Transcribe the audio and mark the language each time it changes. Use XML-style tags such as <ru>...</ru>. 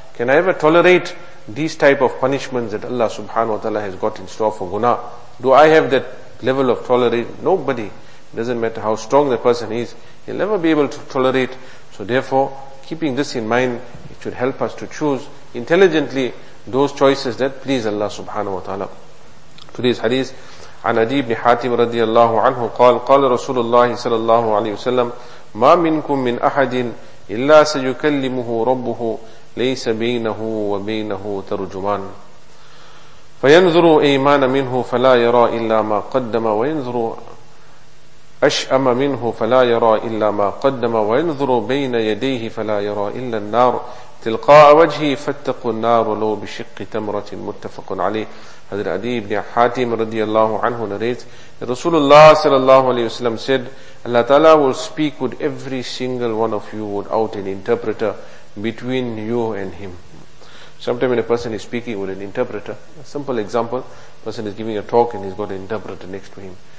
<en>Can I ever tolerate these type of punishments that Allah subhanahu wa ta'ala has got in store for guna? Do I have that level of tolerance? Nobody. It doesn't matter how strong the person is, he'll never be able to tolerate. So therefore, keeping this in mind, it should help us to choose intelligently those choices that please Allah subhanahu wa ta'ala. Today's hadith,</en> <ar>عن أبي بن حاتم رضي الله عنه قال قال رسول الله صلى الله عليه وسلم ما منكم من أحد إلا سيكلمه ربه ليس بينه وبينه ترجمان فينظر أيمان منه فلا يرى إلا ما قدم وينظر أشأم منه فلا يرى إلا ما قدم وينظر بين يديه فلا يرى إلا النار تلقاء وجهه فاتقوا النار ولو بشق تمرة متفق عليه.</ar> <en>Hazrat Adi ibn Hatim radiallahu anhu narrates, Rasulullah sallallahu alayhi wasallam said, Allah ta'ala will speak with every single one of you without an interpreter between you and him. Sometimes when a person is speaking with an interpreter, a simple example, person is giving a talk and he's got an interpreter next to him.</en>